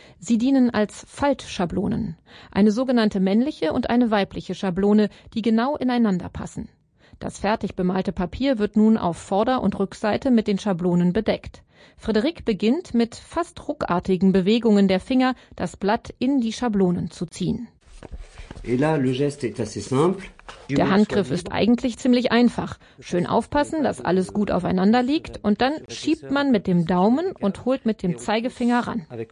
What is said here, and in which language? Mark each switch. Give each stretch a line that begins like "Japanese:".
German: Sie dienen als Faltschablonen. Eine sogenannte männliche und eine weibliche Schablone, die genau ineinander passen. Das fertig bemalte Papier wird nun auf Vorder- und Rückseite mit den Schablonen bedeckt. Frédéric beginnt mit fast ruckartigen Bewegungen der Finger, das Blatt in die Schablonen zu ziehen.
French: Et là, le geste est assez simple.
German: Der Handgriff ist eigentlich ziemlich einfach. Schön aufpassen, dass alles gut aufeinander liegt und dann schiebt man mit dem Daumen und holt mit dem Zeigefinger ran.